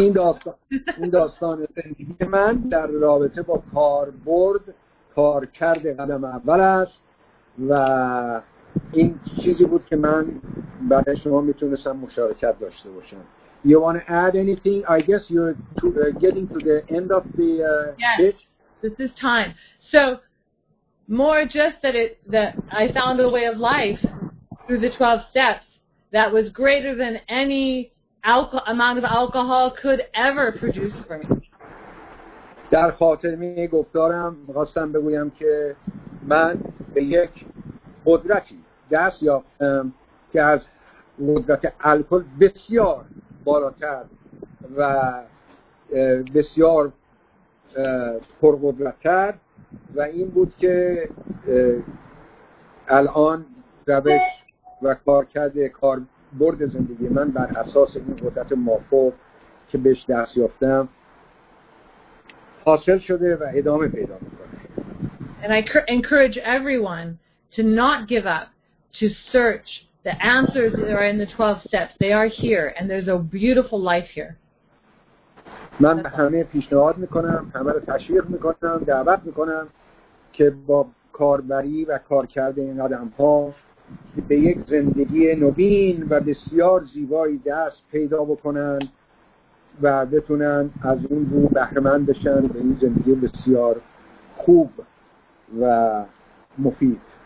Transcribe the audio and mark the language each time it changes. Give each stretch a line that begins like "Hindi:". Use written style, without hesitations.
Persian: این داستان زندگی من در رابطه با کاربرد کار کرده قدم اول است و این چیزی بود که من برای شما میتونستم مشارکت داشته باشم.
English: You want to add anything? I guess you're getting to the end of the pitch. Yes, this is time. So, more just that I found a way of life through the 12 steps that was greater than any amount of alcohol could ever produce for me.
Persian: در خاطر می گفتارم خواستم بگویم که من به یک قدرتی دست یافتم که از قدرت الکل بسیار بالاتر و بسیار پرقدرت‌تر و این بود که الان روش و کاربرد زندگی من بر اساس این قدرت مافوق که بهش دست یافتم حاصل شده و ادامه پیدا می‌کنه.
English: And I encourage everyone to not give up, to search. The answers are in the 12 steps. They are here, and there's a beautiful life here.
Persian: من به همه پیشنهاد میکنم، همه رو تشویق میکنم، دعوت میکنم که با کاربری و کار کرده این آدم‌ها به یک زندگی نوین و بسیار زیبایی دست پیدا بکنن و بتونن از اون رو بهره‌مند بشن به این زندگی بسیار خوب و مفید.